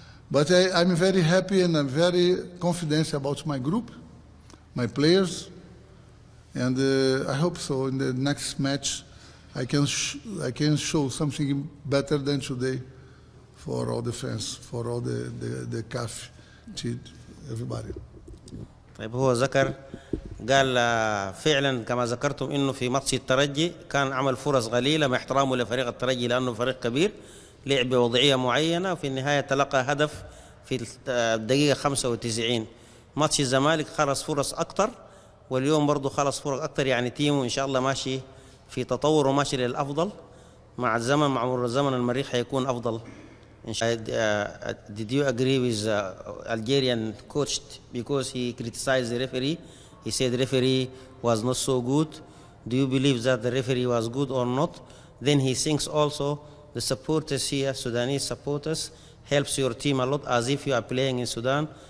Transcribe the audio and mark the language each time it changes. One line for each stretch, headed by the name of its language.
English: But I'm very happy and I'm very confident about my group, my players. And I hope so. In the next match, I can show something better than today for all the fans, for all the CAF, everybody.
Arabic: طيب هو ذكر قال فعلا كما ذكرتم انه في ماتش الترجي كان عمل فرص قليله مع احترامه لفريق الترجي لانه فريق كبير لعب بوضعيه معينه وفي النهايه تلقى هدف في الدقيقه 95 ماتش الزمالك خلص فرص اكثر واليوم برضه خلص فرق اكثر يعني تيمه ان شاء الله ماشي في تطور وماشي للافضل مع الزمن مع مرور الزمن المريخ حيكون افضل ان شاء الله.
English: Did you agree with Algerian coach because he criticized the referee? He said referee was not so good. Do you believe that the referee was good or not? Then he thinks also the supporters here, Sudanese supporters, helps your team a lot as if you are playing in Sudan.